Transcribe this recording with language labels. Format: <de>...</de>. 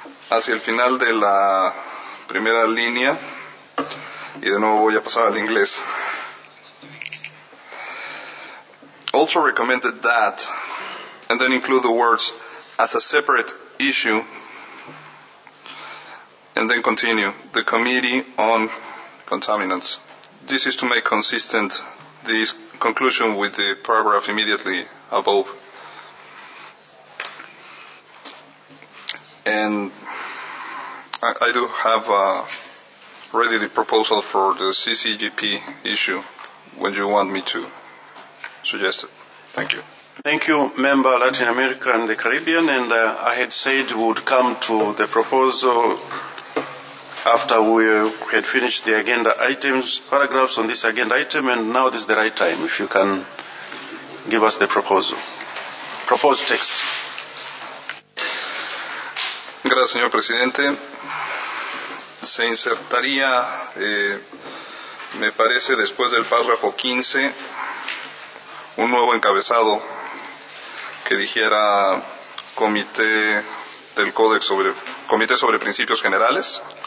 <es>Hacia el final de la primera línea, y de nuevo voy a pasar al inglés.</es> <en>Also recommended that, and then include the words, as a separate issue, and then continue, the Committee on Contaminants. This is to make consistent this conclusion with the paragraph immediately above. And I do have ready the proposal for the CCGP issue when you want me to suggest it. Thank you. Thank you, Member, Latin America and the Caribbean. And I had said we would come to the proposal after we had finished the agenda items, paragraphs on this agenda item, and now is the right time if you can give us the proposed text.</en> <es>Gracias, señor presidente. Se insertaría, me parece, después del párrafo 15, un nuevo encabezado que dijera Comité del Códex sobre Comité sobre Principios Generales.</es>